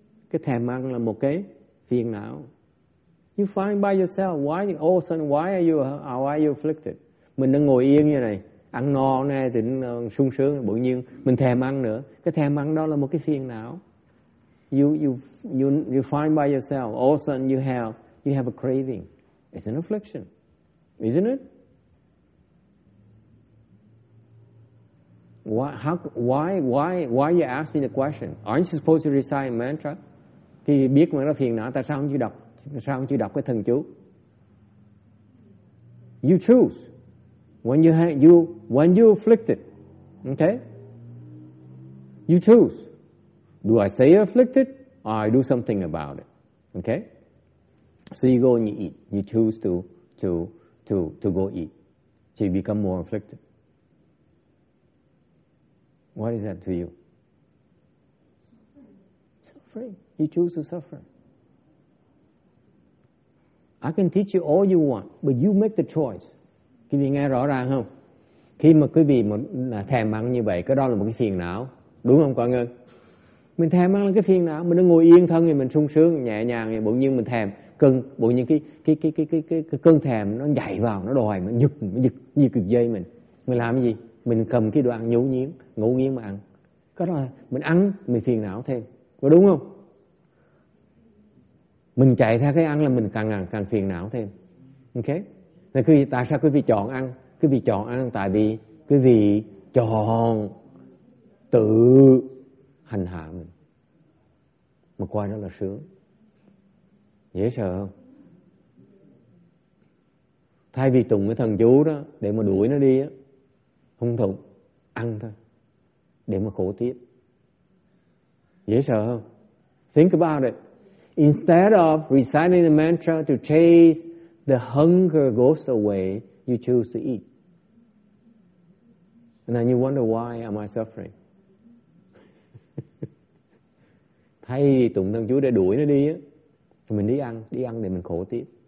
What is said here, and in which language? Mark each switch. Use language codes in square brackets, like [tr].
[vi] Cái thèm ăn là một cái phiền não. [en] You find by yourself, why all of a sudden, why are you afflicted? [vi] Mình đang ngồi yên như này, ăn no nè, tỉnh sung sướng, bỗng nhiên mình thèm ăn nữa. Cái thèm ăn đó là một cái phiền não. [en] You find by yourself. All of a sudden, you have a craving. It's an affliction, isn't it? Why you ask me the question? Aren't you supposed to recite a mantra? [vi] Thì biết mà nó phiền não, tại sao không chịu đọc cái thần chú? [en] You choose. when you have, you when you afflicted, okay? You choose. Do I stay afflicted or I do something about it? Okay? So you go and you eat. You choose to go eat. So you become more afflicted. What is that to you? Suffering. You choose to suffer. I can teach you all you want, but you make the choice. [vi] Quý vị nghe rõ ràng không? Khi mà quý vị mà thèm ăn như vậy, cái đó là một cái phiền não. Đúng không, Quang Ngân? Mình thèm ăn là cái phiền não. Mình đang ngồi yên thân thì mình sung sướng, nhẹ nhàng thì bỗng nhiên mình thèm. Cơn, bỗng nhiên cái cơn thèm nó dậy vào, nó đòi, nó giật như cực dây mình. Mình làm cái gì? Mình cầm cái đồ ăn nhấu nhiếm, ngấu nghiến mà ăn. Có đó là mình ăn, mình phiền não thêm. Có đúng không? Mình chạy theo cái ăn là mình càng phiền não thêm. Ok? Thì quý vị, tại sao quý vị chọn ăn? Quý vị chọn ăn tại vì quý vị chọn tự hành hạ mình. Mà coi nó là sướng. Dễ sợ không? Thay vì tụng cái thần chú đó để mà đuổi nó đi á, không tụng, ăn thôi để mà khổ tiếp. Dễ sợ không? [en] Think about it. Instead of reciting the mantra to chase the hunger goes away, you choose to eat. And then you wonder, why am I suffering? [vi] Thay vì tụng thần chú để đuổi nó đi, mình đi ăn để mình khổ tiếp.